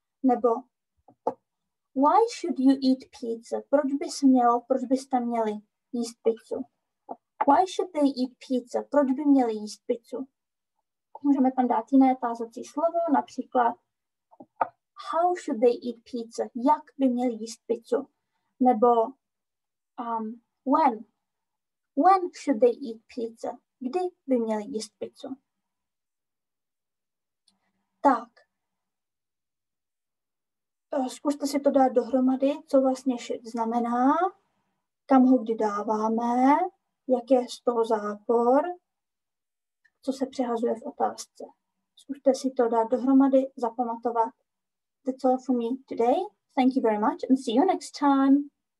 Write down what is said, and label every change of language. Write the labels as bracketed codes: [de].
[en] Nebo why should you eat pizza? [cs] Proč byste měli jíst pizzu? [en] Why should they eat pizza? [cs] Proč by měli jíst pizzu? Můžeme tam dát jiné tázací slovo, například [en] how should they eat pizza? [cs] Jak by měli jíst pizzu? Nebo when? [en] When should they eat pizza? [cs] Kdy by měli jíst pizzu? Tak, zkuste si to dát dohromady, co vlastně šit znamená, kam ho kdy dáváme, jak je z toho zápor, co se přehazuje v otázce. Zkuste si to dát dohromady, zapamatovat. [en] That's all for me today. Thank you very much and see you next time.